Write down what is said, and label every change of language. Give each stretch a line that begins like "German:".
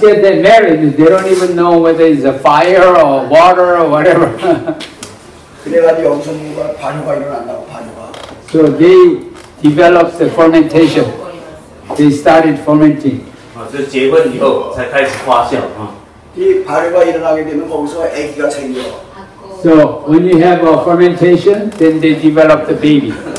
English: they get married, they don't even know whether it's a fire or water or whatever.
Korean: 그래가지고 염증과 발효가 일어난다고 발효가.
English: So they develop the fermentation. They started fermenting.
Chinese: 就结婚以后才开始发酵啊。이
Korean: 발효가 일어나게 되면 거기서 아기가 생겨.
English: So when you have a fermentation, then they develop the baby.